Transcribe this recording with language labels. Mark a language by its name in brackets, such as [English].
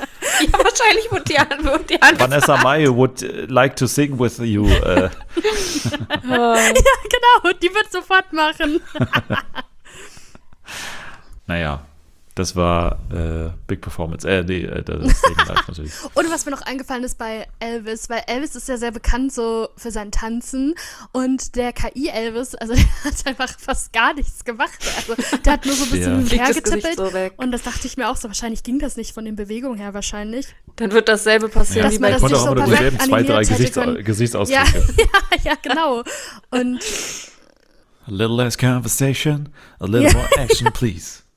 [German] Ja, wahrscheinlich wird die Antwort. [English] Vanessa May would like to sing with you. [German] Ja, genau, die wird sofort machen. Naja, das war Big Performance. Das ist natürlich. Und was mir noch eingefallen ist bei Elvis, weil Elvis ist ja sehr bekannt so für sein Tanzen und der KI-Elvis, also der hat einfach fast gar nichts gemacht. Also der hat nur so ein bisschen hergetippelt. So weg. Und das dachte ich mir auch so, wahrscheinlich ging das nicht von den Bewegungen her wahrscheinlich. Dann wird dasselbe passieren wie bei konnte auch nur dieselben zwei, drei Gesichtsausdrücke. Ja, genau. Und [English] a little less conversation, a little more action, please.